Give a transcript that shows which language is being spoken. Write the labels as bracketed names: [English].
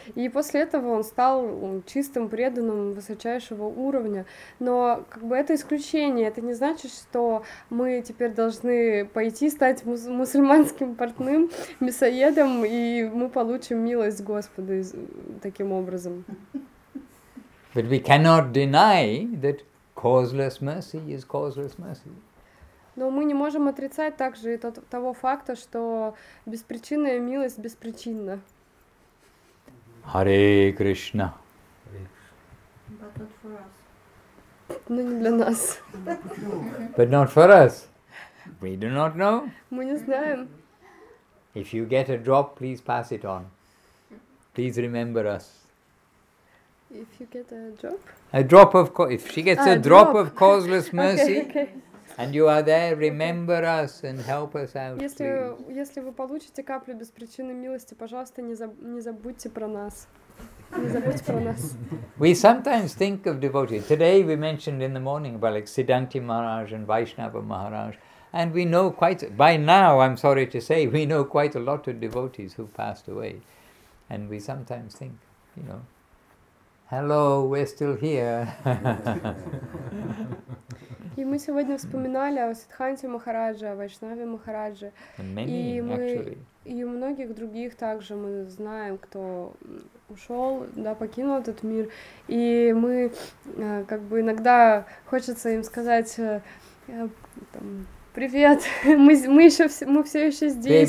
[Russian] И после этого он стал чистым преданным высочайшего уровня. Но, как бы, это исключение, это не значит, что мы теперь должны пойти стать мусульманским портным, мясоедом, и мы получим милость Господа таким образом. [English] But we cannot deny that causeless mercy is causeless mercy. [Russian] Но мы не можем отрицать также и того факта, что беспричинная милость беспричинна. Харе Кришна. [English] But not for us. [Russian] Но не для нас. [English] But not for us. We do not know. [Russian] Мы не знаем. [English] If you get a drop, please pass it on. Please remember us. If you get a drop? A drop of if she gets a drop of causeless mercy. Okay. And you are there, remember us and help us out, please. [Russian] Если вы получите каплю беспричинной милости, пожалуйста, не забудьте про нас. Не забудьте про нас. [English] We sometimes think of devotees. Today we mentioned in the morning about like Siddhanti Maharaj and Vaishnava Maharaj. And we know quite, by now, I'm sorry to say, we know quite a lot of devotees who passed away. And we sometimes think, you know, hello, we're still here. [Russian] И мы сегодня вспоминали о Сиддханте Махарадже, о Вайшнаве Махарадже. И многих других также мы знаем, кто ушел, да, покинул этот мир. И мы, как бы, иногда хочется им сказать там, привет, мы все еще здесь.